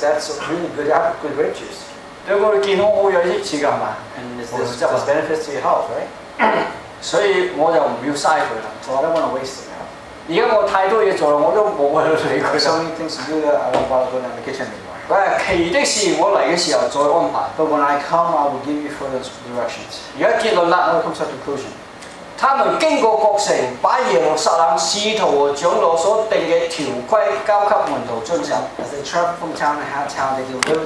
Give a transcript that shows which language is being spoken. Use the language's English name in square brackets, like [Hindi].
[English] that's really good, good grape juice. [Cantonese] 對我嘅健康好有益處㗎，係嘛？ [English] And this is a benefit to your health, right? [Cantonese] 所以我就唔要嘥佢啦。 [English] So I don't want to waste it. [Cantonese] 而家我太多嘢做啦，我都冇喺度理佢。 [English] So many things to do that I don't bother going to the kitchen anymore. [Cantonese] 其餘的事我嚟嘅時候再安排。 [English] But when I come, I will give you further directions. [Cantonese] 而家結論啦。 [English] Now it comes to conclusion. [Cantonese] 他們經過各城，把耶路撒冷使徒和長老所定嘅條規交給門徒遵守。 [English] As they travel from town to town, they delivered.